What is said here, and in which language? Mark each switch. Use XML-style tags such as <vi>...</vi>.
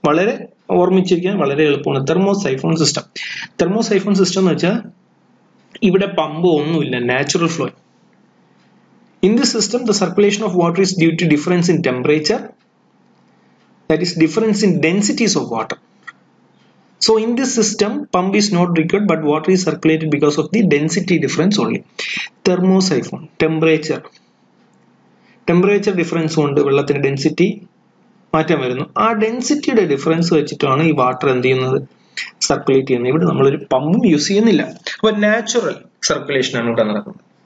<ml>വളരെ ഓർമ്മിച്ചിരിക്കാൻ വളരെ എളുപ്പമാണ് thermo siphon system. Thermo siphon system എന്ന് വെച്ചാൽ ഇവിടെ പമ്പ് ഒന്നുമില്ല, natural flow.</ml> <en>In this system the circulation of water is due to difference in temperature, that is difference in densities of water. So in this system, pump is not required, but water is circulated because of the density difference only. Thermosiphon, temperature.</en> <ml>Temperature difference ഉണ്ട്, വെള്ളത്തിന്റെ density മാറ്റം വരുന്നു. ആ ഡെൻസിറ്റിയുടെ difference വെച്ചിട്ടാണ് ഈ water എന്ത് ചെയ്യുന്നത്, circulate ചെയ്യുന്നത്. ഇവിടെ നമ്മളൊരു പമ്പും യൂസ് ചെയ്യുന്നില്ല, അപ്പൊ നാച്ചുറൽ സർക്കുലേഷൻ ആണ് ഇവിടെ നടക്കുന്നത്.</ml>